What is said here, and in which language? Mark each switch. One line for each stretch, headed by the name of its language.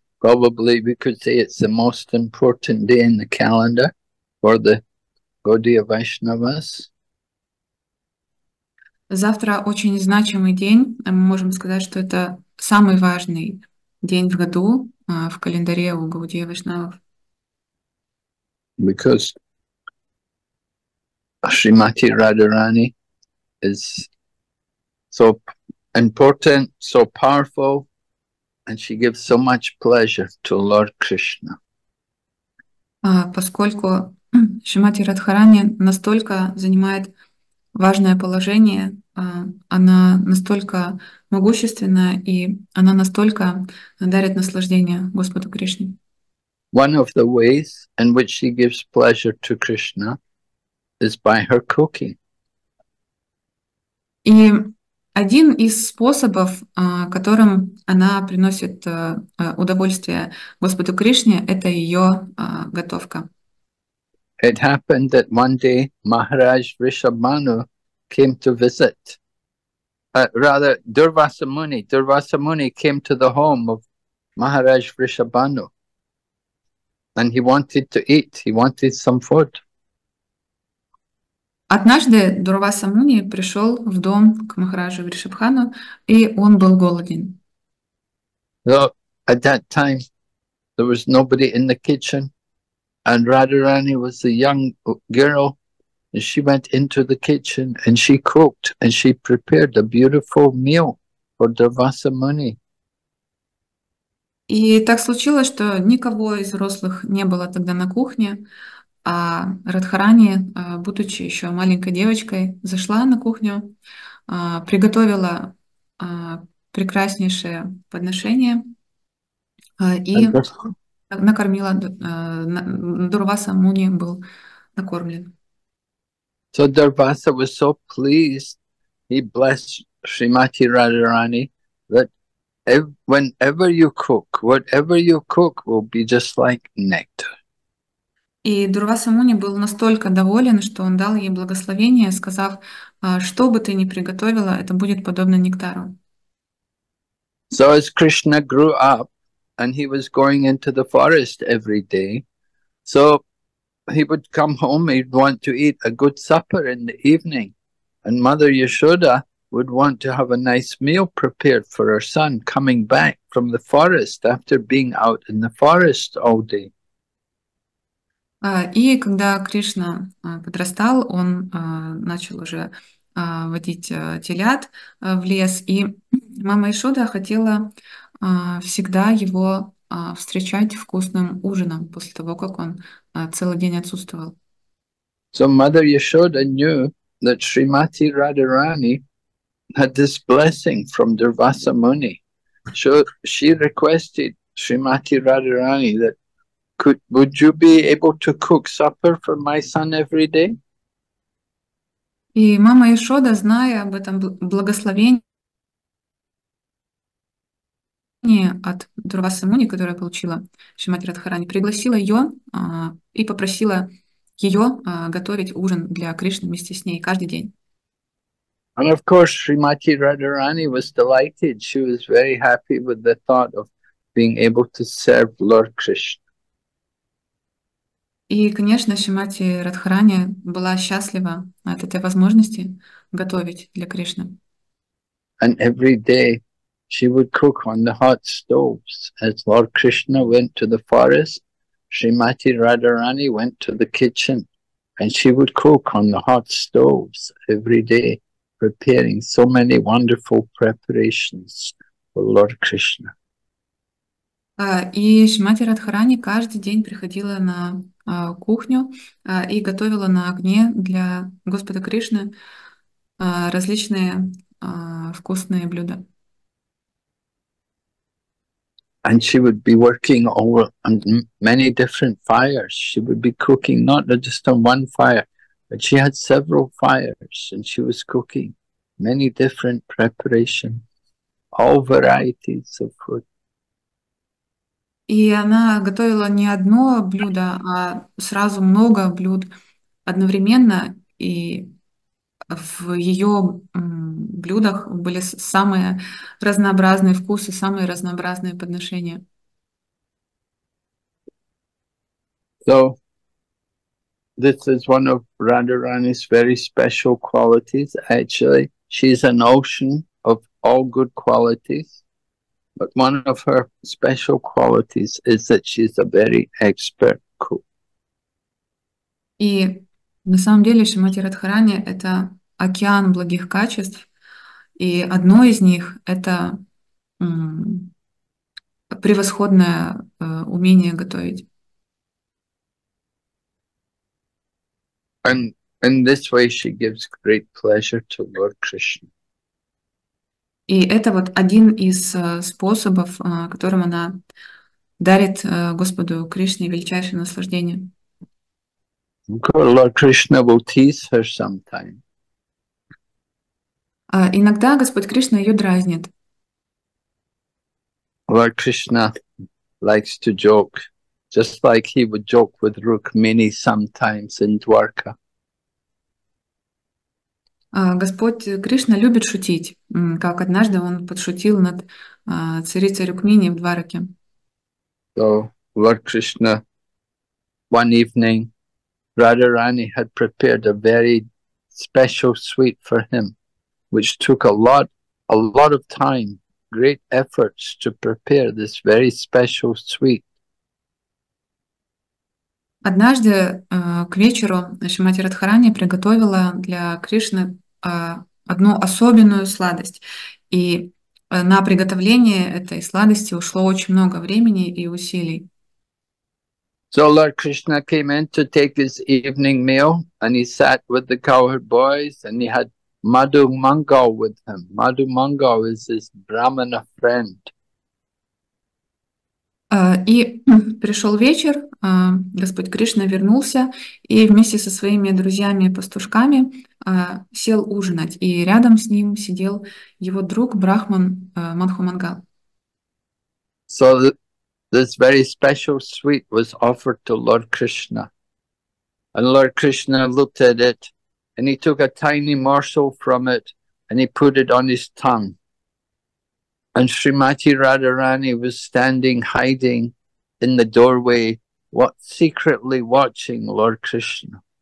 English: Probably we could say it's the most important day in the calendar for the Gaudiya Vaishnavas.
Russian: Завтра очень значимый день. Мы можем сказать, что это самый важный день в году в календаре у Гаудия Вайшнавов.
English: Because Shrimati Radharani is so important, so powerful, and she gives so much pleasure to Lord Krishna.
Russian: Поскольку Шримати Радхарани настолько занимает важное положение, она настолько могущественна, и она настолько дарит наслаждение Господу Кришне.
English: One of the ways in which she gives pleasure to Krishna is by her cooking.
Russian: И один из способов, которым она приносит удовольствие Господу Кришне, это ее готовка.
English: It happened that one day Maharaj Rishabhanu came to visit. Rather, Durvasa Muni came to the home of Maharaj Rishabhanu. And he wanted to eat, he wanted some food.
Russian: Однажды Дурваса Муни пришел в дом к Махараджу Вришабхану, и он был голоден.
English: So, at that time, there was nobody in the kitchen, and Radharani was a young girl, And she went into the kitchen and she cooked and she prepared a beautiful meal for Durvasa Muni.
Russian: И так случилось, что никого из взрослых не было тогда на кухне, а Радхарани, будучи еще маленькой девочкой, зашла на кухню, приготовила прекраснейшее подношение и накормила Дурваса Муни был накормлен.
English: So Durvasa was so pleased, he blessed Srimati Radharani that whenever you cook, whatever you cook will be just like nectar.
Russian: И Дурваса Муни был настолько доволен, что он дал ей благословение, сказав, что бы ты ни приготовила, это будет подобно нектару.
English: So as Krishna grew up and he was going into the forest every day, so he would come home, he'd want to eat a good supper in the evening, and Mother Yashoda would want to have a nice meal prepared for her son coming back from the forest after being out in the forest all day.
Russian: И когда Кришна подрастал, он начал уже водить телят в лес, и мама Ишода хотела всегда его встречать вкусным ужином после того, как он целый день отсутствовал.
English: So Mother Yashoda knew that Srimati Radharani had this blessing from Durvasa Muni. So she requested Srimati Radharani that would you be able to cook supper for my son every day?
Russian: И мама Ишода, зная об этом благословении от Дурвасы Муни, которое получила Шримати Радхарани, пригласила ее и попросила ее готовить ужин для Кришны вместе с ней каждый день.
English: And of course, Srimati Radharani was delighted. She was very happy with the thought of being able to serve Lord Krishna.
Russian: И, конечно, Шримати Радхарани была счастлива от этой возможности готовить для Кришны.
English: And every day she would cook on the hot stoves. As Lord Krishna went to the forest, Srimati Radharani went to the kitchen and she would cook on the hot stoves every day, preparing so many wonderful preparations for Lord Krishna.
Russian: И Шримати Радхарани каждый день приходила на кухню и готовила на огне для Господа Кришны различные вкусные блюда.
English: And she would be working over on many different fires. She would be cooking not just on one fire, but she had several fires and she was cooking many different preparations, all varieties of food.
Russian: И она готовила не одно блюдо, а сразу много блюд одновременно, и в ее блюдах были самые разнообразные вкусы, самые разнообразные подношения.
English: So, this is one of Radharani's very special qualities, actually. She's an ocean of all good qualities, but one of her special qualities is that she's a very expert cook.
Russian: И на самом деле Шримати Радхарани — это океан благих качеств, и одно из них — это превосходное умение готовить.
English: And in this way, she gives great pleasure to Lord Krishna.
Russian: И это вот один из способов, которым она дарит Господу Кришне величайшее наслаждение.
English: Lord Krishna will tease her sometime.
Russian: Иногда Господь Кришна ее дразнит.
English: Lord Krishna likes to joke, just like he would joke with Rukmini sometimes in Dwarka.
Russian: Господь Кришна любит шутить, как однажды он подшутил над царицей Рукмини в Двараке.
English: So, Lord Krishna, one evening, Radharani had prepared a very special sweet for him, which took a lot of time, great efforts to prepare this very special sweet.
Russian: Однажды к вечеру наша мать Радхарани приготовила для Кришны одну особенную сладость. И на приготовление этой сладости ушло очень много времени и усилий.
English: So Lord Krishna came in to take his evening meal, and he sat with the cowherd boys, and he had Madhu Mangal with him. Madhu Mangal is his Brahmana friend.
Russian: И пришел вечер, Господь Кришна вернулся и вместе со своими друзьями-пастушками сел ужинать. И рядом с ним сидел его друг Брахман Манху Мангал.
English: So this very special sweet was offered to Lord Krishna. And Lord Krishna looked at it, and he took a tiny morsel from it, and he put it on his tongue. And Srimati Radharani was standing, hiding in the doorway, what secretly watching Lord Krishna.